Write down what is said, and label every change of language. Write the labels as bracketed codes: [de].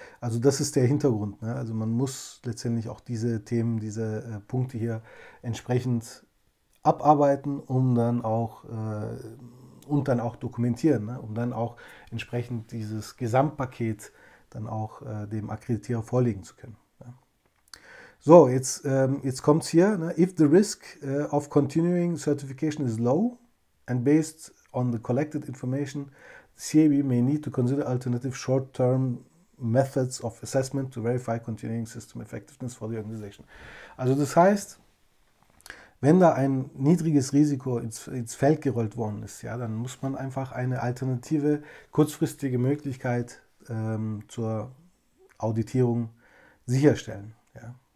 [de] Also das ist der Hintergrund, ne? Also man muss letztendlich auch diese Themen, diese Punkte hier entsprechend abarbeiten, um dann auch und dann auch dokumentieren, ne? Um dann auch entsprechend dieses Gesamtpaket dann auch dem Akkreditierer vorlegen zu können. So, jetzt kommt es hier, ne? [en] If the risk of continuing certification is low, and based on the collected information, CAB may need to consider alternative short-term methods of assessment to verify continuing system effectiveness for the organization. [de] Also das heißt, wenn da ein niedriges Risiko ins Feld gerollt worden ist, ja, dann muss man einfach eine alternative, kurzfristige Möglichkeit zur Auditierung sicherstellen. Ja.